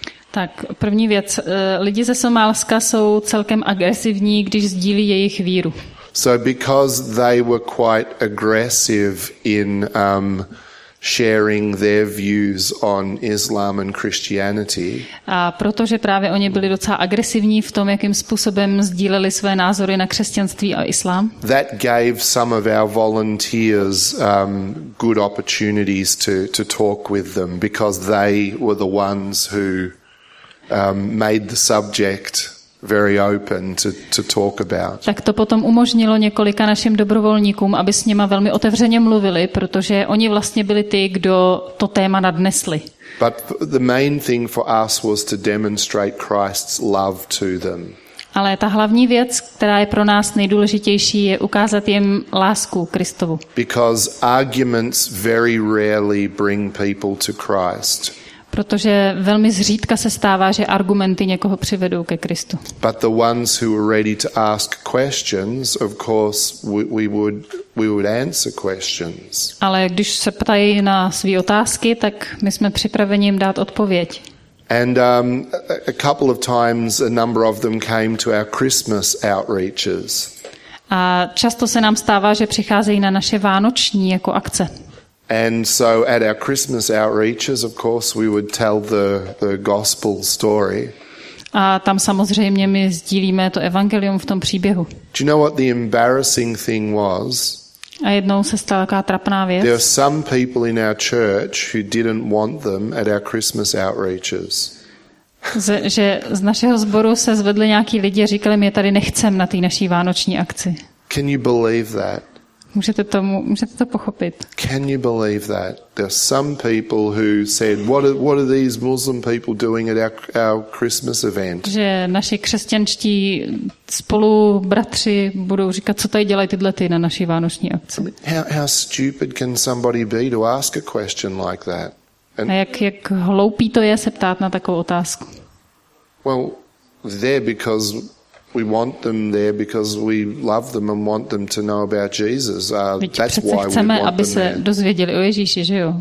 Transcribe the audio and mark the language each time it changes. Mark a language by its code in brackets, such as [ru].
[cs] Tak první věc, lidi ze Somálska jsou celkem agresivní, když sdílí jejich víru. [en] So because they were quite aggressive in sharing their views on Islam and Christianity. [cs] A protože právě oni byli docela agresivní v tom, jakým způsobem sdíleli své názory na křesťanství a islám. [en] That gave some of our volunteers good opportunities to talk with them because they were the ones who made the subject very open to talk about. [cs] Tak to potom umožnilo několika našim dobrovolníkům, aby s nima velmi otevřeně mluvili, protože oni vlastně byli ty, kdo to téma nadnesli. [en] But the main thing for us was to demonstrate Christ's love to them. [cs] Ale ta hlavní věc, která je pro nás nejdůležitější, je ukázat jim lásku Kristovu. [en] Because arguments very rarely bring people to Christ. [cs] Protože velmi zřídka se stává, že argumenty někoho přivedou ke Kristu. [en] But the ones who were ready to ask questions, of course, we would answer questions. [cs] Ale když se ptají na své otázky, tak my jsme připraveni jim dát odpověď. [en] And a couple of times a number of them came to our Christmas outreaches. [cs] A často se nám stává, že přicházejí na naše vánoční jako akce. [en] And so at our Christmas outreaches, of course, we would tell the gospel story. [cs] A tam samozřejmě my sdílíme to evangelium v tom příběhu. [en] Do you know what the embarrassing thing was? [cs] A jednou se stala taková trapná věc. [en] There are some people in our church who didn't want them at our Christmas outreaches. [cs] Že z našeho sboru se zvedli nějaký lidi a říkali, my tady nechcem na té naší vánoční akci. [en] Can you believe that? [cs] Můžete to pochopit. [en] Can you believe that? There are some people who said, what are these Muslim people doing at our Christmas event? [cs] Že naši křesťanští spolu bratři budou říkat, co tady dělají tyhle ty na naší vánoční akci. [en] I mean, how stupid can somebody be to ask a question like that? [cs] A jak hloupý to je se ptát na takovou otázku? [en] Well, there because we want them there because we love them and want them to know about Jesus. That's why we want them. [cs] Chceme, aby se dozvěděli o Ježíši, že jo?